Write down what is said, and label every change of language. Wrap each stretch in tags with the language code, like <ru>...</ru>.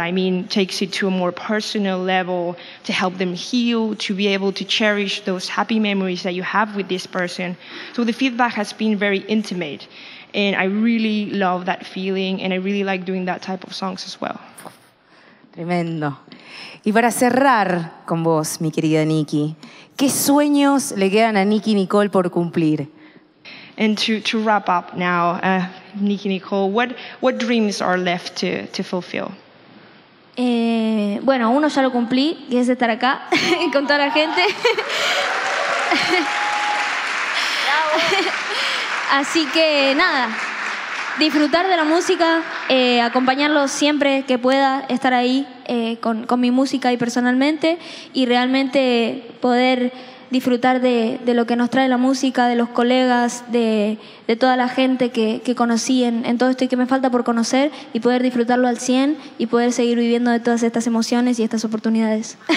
<en>I mean, takes it to a more personal level to help them heal, to be able to cherish those happy memories that you have with this person. So the feedback has been very intimate. And I really love that feeling, and I really like doing that type of songs as well.</en> <es>Tremendo. Y para cerrar con vos, mi querida Nikki, ¿qué sueños le quedan a Nikki Nicole por cumplir?</es> <en>And to wrap up now, Nikki Nicole, what dreams are left to fulfill?</en> <es>Bueno, uno ya lo cumplí, que es estar acá con toda la gente. Así que nada, disfrutar de la música, acompañarlos siempre que pueda, estar ahí con mi música y personalmente, y realmente poder disfrutar de lo que nos trae la música, de los colegas, de toda la gente que conocí en todo esto y que me falta por conocer, y poder disfrutarlo al 100 y poder seguir viviendo de todas estas emociones y estas oportunidades.</es>